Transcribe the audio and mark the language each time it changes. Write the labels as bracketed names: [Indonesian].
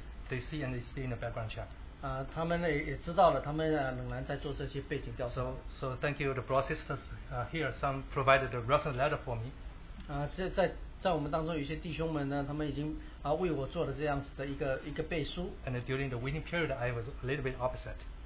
[English] they see and they stay in the background check. [Chinese] 他们呢也知道了，他们仍然在做这些背景调查。 [English] So thank you, the broad sisters here, some provided the reference letter for me. [Chinese] 在我们当中有些弟兄们呢，他们已经为我做了这样子的一个背书。 [English] And during the waiting period, I was a little bit upset.